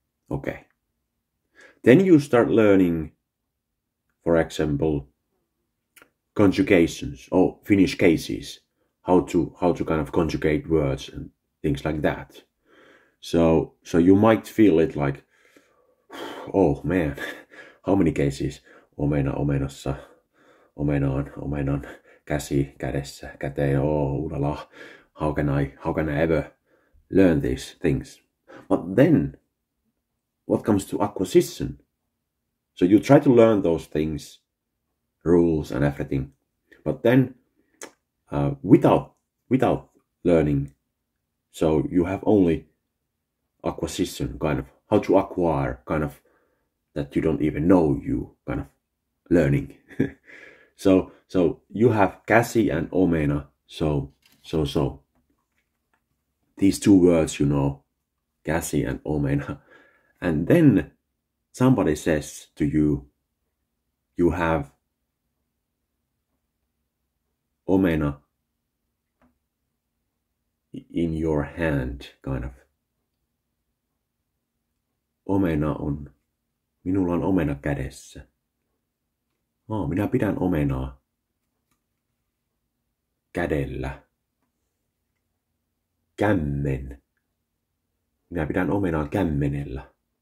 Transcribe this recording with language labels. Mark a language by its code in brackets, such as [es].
[en] Okay, then you start learning, for example, conjugations or Finnish cases, how to kind of conjugate words and things like that. So you might feel it like, oh man, how many cases? [fi] Omena, omenassa, omenaan, omenan, käsi, kädessä, käteen, oh, ulala. [en] How can I ever learn these things? But then, what comes to acquisition? So you try to learn those things, rules and everything. But then, without learning, so you have only acquisition, kind of how to acquire, kind of that you don't even know you, kind of learning. So you have käsi and omena. So these two words, you know, käsi and omena. And then somebody says to you, you have omena in your hand, kind of. [fi] Omena on. Minulla on omena kädessä. Oh, minä pidän omenaa kädellä. Kämmen. Minä pidän omenaa kämmenellä.